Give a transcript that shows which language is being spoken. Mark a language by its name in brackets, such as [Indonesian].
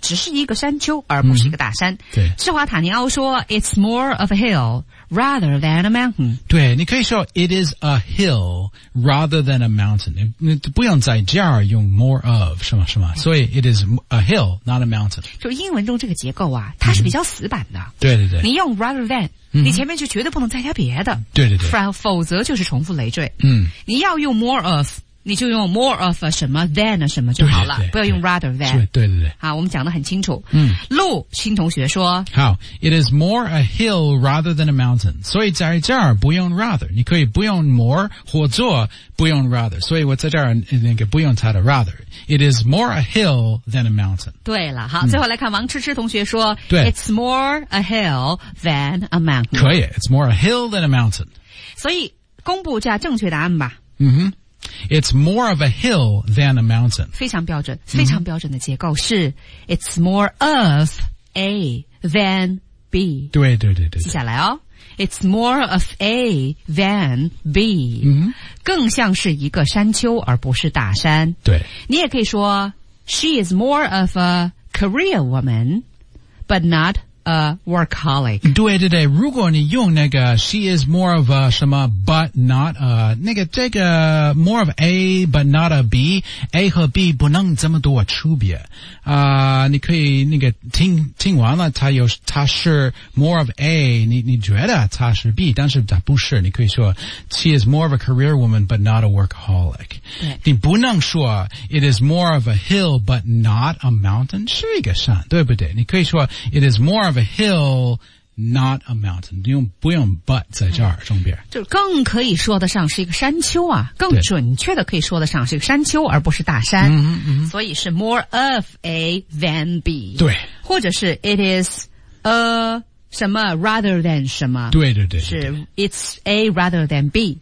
[Chinese] 只是一个山丘而不是一个大山。对。施华塔尼奥说 [English] It's more of a hill rather than a mountain. [Chinese] 对你可以说 [English] It is a hill rather than a mountain. [Chinese] 你不用在这儿用 more of, 什么。所以 [English] It is a hill, not a mountain. [Chinese] 就英文中这个结构啊它是比较死板的。对。你用 rather than, 你前面就绝对不能再加别的。对。否则就是重复累赘。你要用 more of,你就用 more of a 什么 than a 什么就好了不要用 rather than 对好我们讲得很清楚陆新同学说 [English] 好 It is more a hill rather than a mountain [Chinese] 所以在这儿不用 [English] rather [Chinese] 你可以不用 [English] more [Chinese] 或者不用 [English] rather [Chinese] 所以我在这儿那个不用它的 [English] rather It is more a hill than a mountain [Chinese] 对了好最后来看王痴痴同学说对 [English] It's more a hill than a mountain 可以 It's more a hill than a mountain [Chinese] 所以公布一下正确答案吧 [English] It's more of a hill than a mountain. [Chinese] 非常标准的结构是 [English] It's more of A than B. [Chinese] 对。记下来哦。 [English] It's more of A than B. [Chinese] 更像是一个山丘而不是大山。对。 [English] 你也可以说 She is more of a career woman, but not a workaholic. [Chinese] 对。如果你用那个 [English] She is more of a 什么 but not [Chinese] a, 那个这个 more of A but not a B, A 和 B 不能这么多区别。你可以那个听完了他是 more of A, 你觉得他是 B, 但是他不是。你可以说 [English] She is more of a career woman but not a workaholic. [Chinese] 对。你不能说 [English] It is more of a hill but not a mountain, [Chinese] 是一个山对不对。 [English] 你可以说 It is more of a hill, not a mountain. [Chinese] 不用 but 在这儿中边。就更可以说得上是一个山丘啊，更准确的可以说得上是一个山丘而不是大山。所以是 [English] more of A than B. [Chinese] 对。或者是 [English] it is a 什么 rather than 什么。 [Chinese] 对。 [English] 是 it's A rather than B.